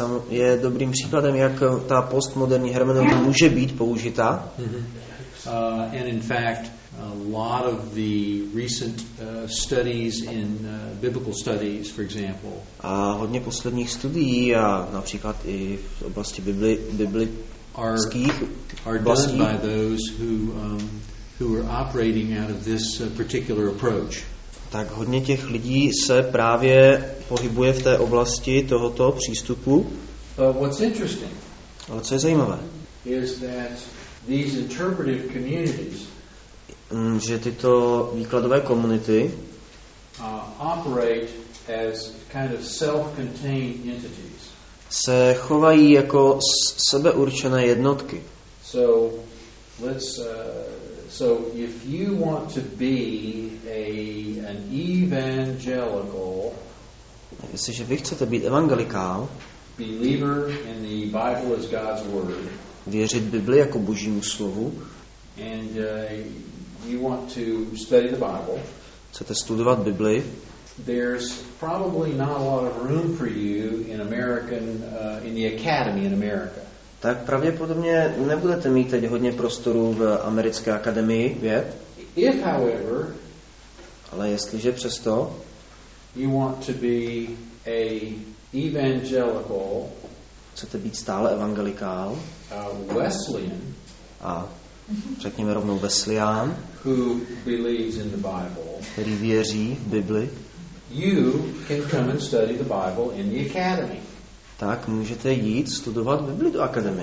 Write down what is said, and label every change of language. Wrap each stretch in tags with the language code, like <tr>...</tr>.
<cs>Je dobrým příkladem, jak ta postmoderní hermeneutika může být použita. Mm-hmm.</cs> <en>And in fact, a lot of the recent studies in biblical studies, for example.</en> <cs>A hodně posledních studií, a například i v oblasti biblických</cs> <en>are done by those who are operating out of this particular approach.</en> <cs>Tak hodně těch lidí se právě pohybuje v té oblasti tohoto přístupu.</cs> <en>But what's interesting?</en> <cs>Ale co je zajímavé?</cs> <en>Is that these interpretive communities</en> <cs>že tyto výkladové komunity</cs> <en>operate as kind of self-contained entities.</en> <cs>Se chovají jako sebeurčené jednotky.</cs> <en>So let's so if you want to be an evangelical,</en> <cs>jestliže vy chcete být evangelikál,</cs> <en>believer in the Bible as God's word,</en> <cs>věřit Bibli jako Božímu slovu,</cs> <en>and you want to study the Bible.</en> <cs>Chcete studovat Bibli?</cs> <en>There's probably not a lot of room for you in American in the academy in America.</en> <cs>tak pravděpodobně nebudete mít teď hodně prostoru v americké akademii věd.</cs> <en>If, however,</en> <cs>ale jestliže přesto</cs> <en>you want to be a evangelical,</en> <cs>chcete být stále evangelikál,</cs> <en>a Wesleyan,</en> <cs>a řekněme rovnou Wesleyan,</cs> <en>who believes in the Bible,</en> <cs>který věří v Bibli,</cs> <en>you can come and study the Bible in the academy.</en> <cs>Tak můžete jít studovat Bibli do akademie.</cs>